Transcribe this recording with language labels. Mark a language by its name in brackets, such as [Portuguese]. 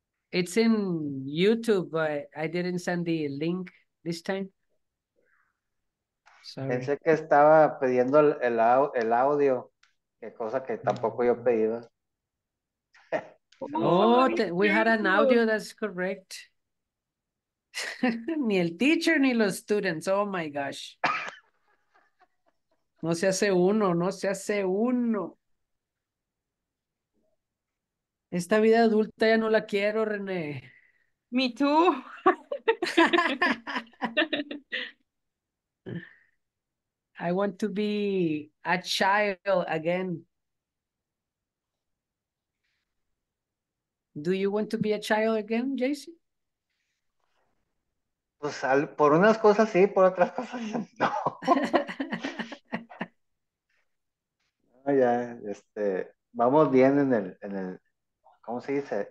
[English] It's in YouTube, but I didn't send the link this time. Sorry. [Spanish] Pensé que estaba pidiendo el audio, qué cosa que tampoco yo he pedido. [English] Oh, we had an audio, that's correct. [Spanish] Ni el teacher ni los students. [English] Oh my gosh. [Spanish] No se hace uno, no se hace uno. Esta vida adulta ya no la quiero, René. [English] Me too. I want to be a child again. Do you want to be a child again, Jason? [Spanish] Pues por unas cosas sí, por otras cosas no. No, ya, vamos bien en el ¿cómo se dice?